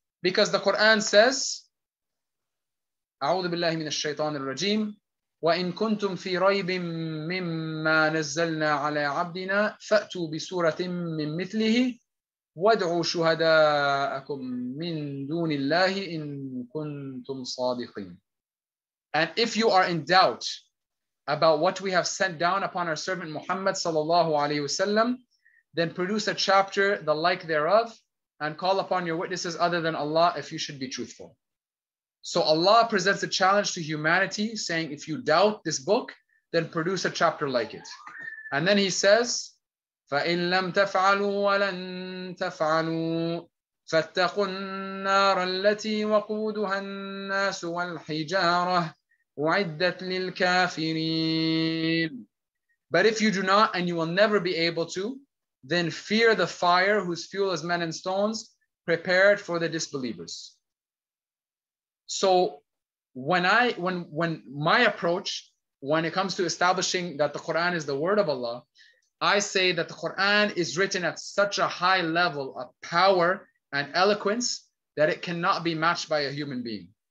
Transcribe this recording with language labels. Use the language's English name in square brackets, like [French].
[English] Because the Quran says, [Arabic] أعوذ بالله من الشيطان الرجيم وإن كنتم في ريب مما نزلنا على عبدنا فأتوا بسورة من مثله وادعوا شهداءكم من دون الله إن كنتم صادقين. [English] And if you are in doubt about what we have sent down upon our servant Muhammad sallallahu alaihi wasallam, then produce a chapter the like thereof and call upon your witnesses other than Allah if you should be truthful. So Allah presents a challenge to humanity saying, if you doubt this book, then produce a chapter like it. And then he says, [Arabic] فَإِن لَمْ تَفْعَلُوا وَلَن تَفْعَلُوا فَاتَّقُوا النَّارَ الَّتِي وَقُودُهَا النَّاسُ وَالْحِجَارَةُ أُعِدَّتْ لِلْكَافِرِينَ. [English] But if you do not and you will never be able to, then fear the fire whose fuel is men and stones, prepared for the disbelievers. So when my approach, when it comes to establishing that the Quran is the word of Allah, I say that the Quran is written at such a high level of power and eloquence that it cannot be matched by a human being.